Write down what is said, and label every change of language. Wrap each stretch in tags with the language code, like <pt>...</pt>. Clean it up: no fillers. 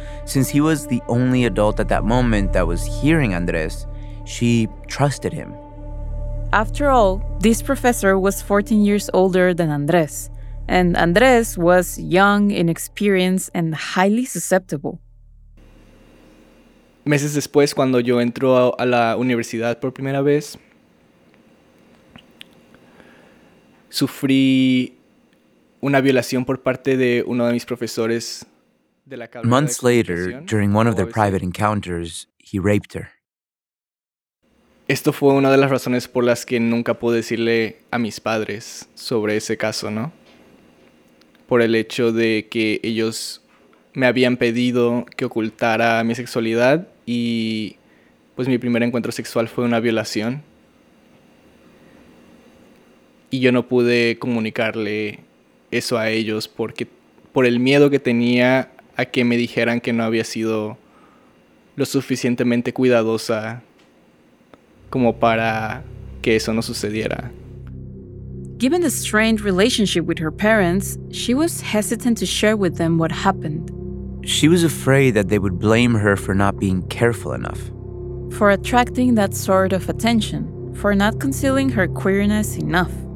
<en>Since he was the only adult at that moment that was hearing Andres, she trusted him. After all, this professor was 14 years older than Andres, and Andres was young, inexperienced, and highly susceptible.</en> <es>Meses después, cuando yo entro a la universidad por primera vez, sufrí una violación por parte de uno de mis profesores de la cabina.</es> <en>Months later, during one of their private encounters, he raped her.</en> <es>Esto fue una de las razones por las que nunca pude decirle a mis padres sobre ese caso, ¿no? Por el hecho de que ellos me habían pedido que ocultara mi sexualidad y pues mi primer encuentro sexual fue una violación. Y yo no pude comunicarle eso a ellos porque por el miedo que tenía a que me dijeran que no había sido lo suficientemente cuidadosa como para que eso no sucediera.</es> <en>Given the strained relationship with her parents, she was hesitant to share with them what happened. She was afraid that they would blame her for not being careful enough. For attracting that sort of attention, for not concealing her queerness enough.</en>